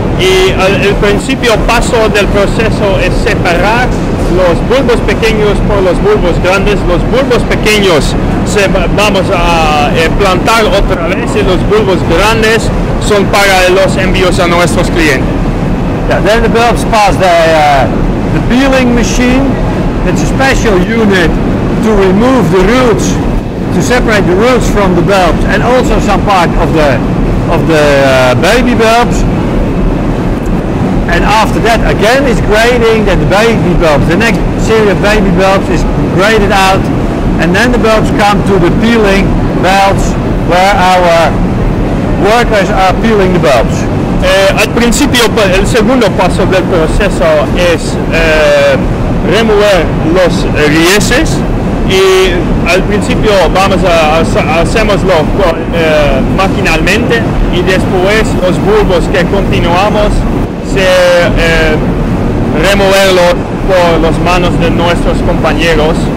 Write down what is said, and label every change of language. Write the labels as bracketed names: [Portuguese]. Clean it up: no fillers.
[Spanish] Y el principio paso del proceso es separar los bulbos pequeños por los bulbos grandes. Los bulbos pequeños vamos a plantar otra vez, y los bulbos grandes son para los envíos a nuestros clientes. [English] Yeah, then the bulbs pass the peeling machine. It's a special unit to remove the roots, to separate the roots from the bulbs, and also some part of the baby bulbs. And after that, again, it's grading that the baby bulbs. The next series of baby bulbs is graded out, and then the bulbs come to the peeling belts where our workers are peeling the bulbs. [Spanish] Al principio, el segundo paso del proceso es remover los rieses, y al principio vamos a hacemoslo maquinalmente, y después los bulbos que continuamos removerlo por las manos de nuestros compañeros.